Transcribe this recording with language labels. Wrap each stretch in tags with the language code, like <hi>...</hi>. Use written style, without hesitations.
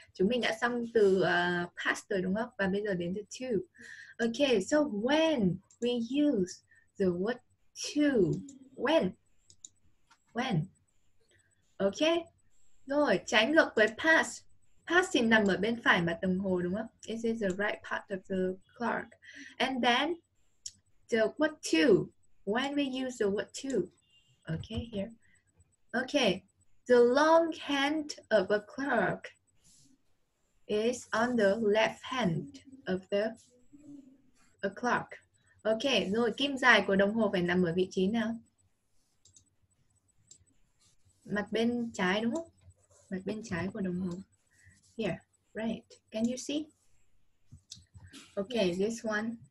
<vi>Chúng mình đã xong từ past rồi đúng không? Và bây giờ đến từ to.</vi> <en>Okay, so when we use the word to. When?</en> <vi>Okay, rồi tránh ngược với past. Past thì nằm ở bên phải mặt đồng hồ đúng không?</vi> <en>It is the right part of the clock. And then the word to. When we use the word to. Okay, here. Okay, the long hand of a clock is on the left hand of the clock.</en> <vi>Okay, rồi kim dài của đồng hồ phải nằm ở vị trí nào? Mặt bên trái đúng không? Mặt bên trái của đồng hồ.</vi> <en>Here, right. Can you see? Okay, yes. This one.</en>